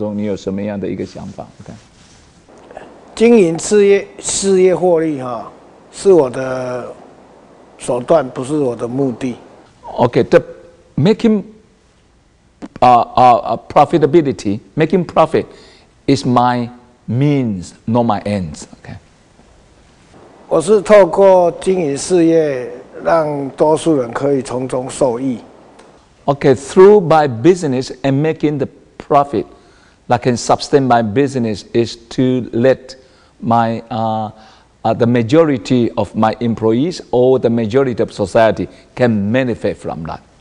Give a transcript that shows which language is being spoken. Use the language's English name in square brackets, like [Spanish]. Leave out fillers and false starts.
[Chinese] 你怎么样去在你做生意的过程当中，你怎么样去了解说你是一个做生意的企业家，或者是怎么样让他提升成为一个社会企业家、社会事业家？你在你的经营的理念当中，你有什么样的一个想法 ？OK，经营事业获利哈，是我的手段，不是我的目的。OK， [English] the making. Profitability, making profit, is my means, not my ends. Okay. [Chinese] 我是透过经营事业，让多数人可以从中受益. [English] Okay, through my business and making the profit, that can sustain my business is to let my the majority of my employees or the majority of society can benefit from that.